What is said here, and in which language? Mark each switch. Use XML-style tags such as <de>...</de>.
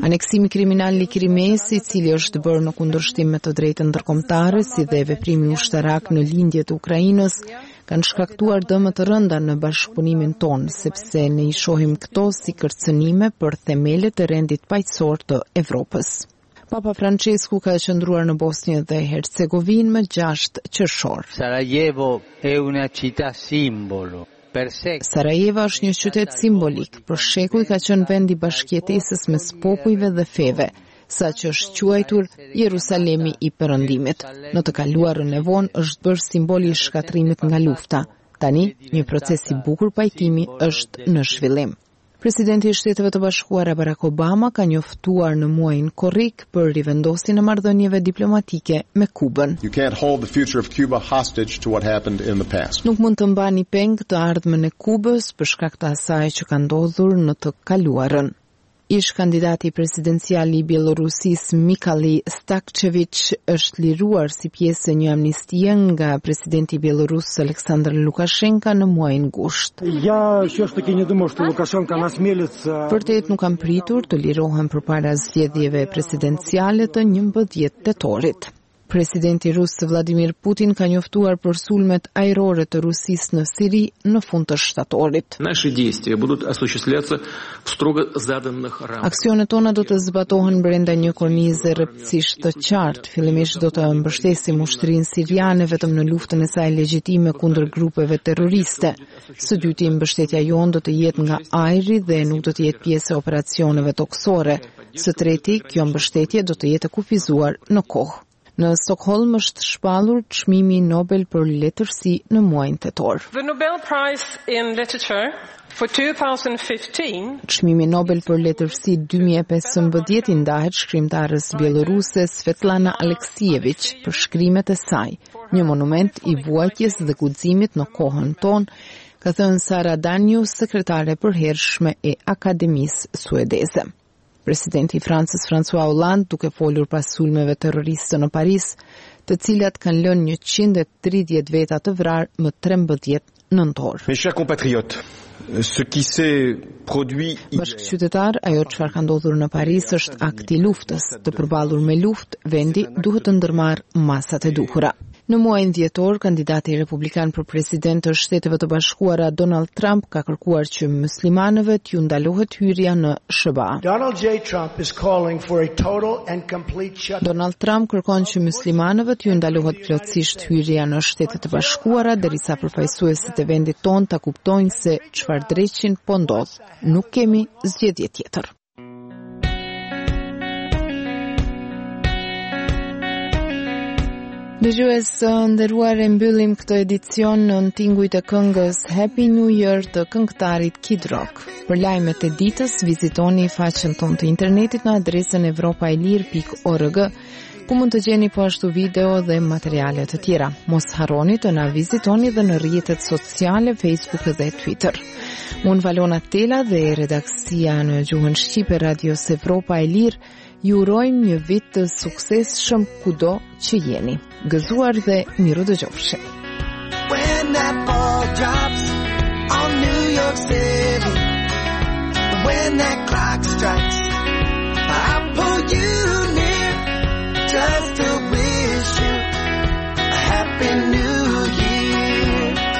<sq>Aneksimi kriminal i Krimes, i cili është bërë në kundërshtim me të drejtën ndërkombëtare, si dhe veprimi ushtarak në lindje të Ukrainës, kanë shkaktuar dëmë të rënda në bashkëpunimin tonë, sepse ne i shohim këto si kërcënime për themelet e rendit paqësor të Evropës. Papa Francesku ka qëndruar në Bosnjë dhe Hercegovinë më 6 qershor.</sq> <it>Sarajevo è una città simbolo.</it> <sq>Sarajevo është një qytet simbolik. Për shekuj ka qenë vendi bashkëjetesës mes popujve dhe feve, sa që është quajtur Jerusalemi i Perëndimit. Në të kaluarën e vonë është bërë simboli i shkatrimit nga lufta. Tani, një proces i bukur pajtimi është në zhvillim. Presidenti i Shteteve të Bashkuara Barack Obama ka njoftuar në muajin korrik për rivendosjen e marrëdhënieve diplomatike me Kubën.</sq> <en>You can't hold the future of Cuba hostage to what happened in the past.</en> <sq>Nuk mund të mbani peng të ardhmen e Kubës për shkak të asaj që ka ndodhur në të kaluarën. Ish kandidati presidencial i Bielorusis Mikhail Stakcevich është liruar si pjesë e një amnistie nga presidenti Bielorus Aleksandr Lukashenka në muajin gusht. Ja, çështë që ndoshta është Lukashenka nasmelëca. Vërtet nuk kam pritur të lirohen përpara zgjedhjeve presidenciale të 11 tetorit. Presidenti rus Vladimir Putin ka njoftuar për sulmet ajrore të Rusisë në Siri në fund të shtatorit.</sq> <ru>Наши действия будут осуществляться в строго заданных рамках.</ru> <sq>Aksionet tona do të zbatohen brenda një kornize rrëpësisht të qartë. Fillimisht do të mbështesim ushtrinë siriane vetëm në luftën e saj legjitime kundër grupeve terroriste. Së dyti, mbështetja jonë do të jetë nga ajri dhe nuk do të jetë pjesë e operacioneve toksore. Së treti, kjo mbështetje do të jetë kufizuar në kohë. Në Stockholm është shpallur çmimi Nobel për letërsi në muajin tetor.</sq> <en>The Nobel Prize in Literature for 2015.</en> <sq>Çmimi Nobel për letërsi 2015 i ndahet shkrimtarës bieloruse Svetlana Aleksijevich për shkrimet e saj, një monument i vuajtjes dhe guximit në kohën tonë, ka thënë Sara Danju, sekretare përhershme e Akademisë Suedeze. Presidenti i Francës François Hollande, duke folur pas sulmeve terroriste në Paris, të cilat kanë lënë 130 veta të vrarë më 13 nëntor.</sq> <fr>Mes chers compatriotes, ce qui s'est produit</fr> <sq>bashkëqytetar, ajo çfarë ka ndodhur në Paris është akt i luftës. Të përballur me luftë, vendi duhet të ndërmarrë masat e duhura. Në muajin dhjetor, kandidati republikan për president të Shteteve të Bashkuara Donald Trump ka kërkuar që muslimanëve t'ju ndalohet hyrja në SHBA.</sq> <en>Donald J. Trump is calling for a total and complete shutdown.</en> <sq>Donald Trump kërkon që muslimanëve t'ju ndalohet plotësisht hyrja në Shtetet të Bashkuara derisa përfaqësuesit e vendit tonë ta kuptojnë se çfarë dreqin po ndodh. Nuk kemi zgjedhje tjetër. Dëgjues së nderuar, e mbyllim këtë edicion në tingujt e këngës Happy New Year të këngëtarit Kid Rock. Për lajmet e ditës, vizitoni faqen tonë të internetit në adresën europailir.org, ku mund të gjeni po ashtu video dhe materialet të tjera. Mos haroni të na vizitoni dhe në rrjetet sociale Facebook dhe Twitter. Unë Valona Tela dhe redaksia në gjuhën Shqipe Radios Evropa e Lirë, ju urojmë një vit të suksesshëm kudo që jeni. Gëzuar dhe miru dëgjofshim.</sq> <en>When that ball drops on New York City, when that clock strikes, I'll pull you near just to wish you a happy new year.</en>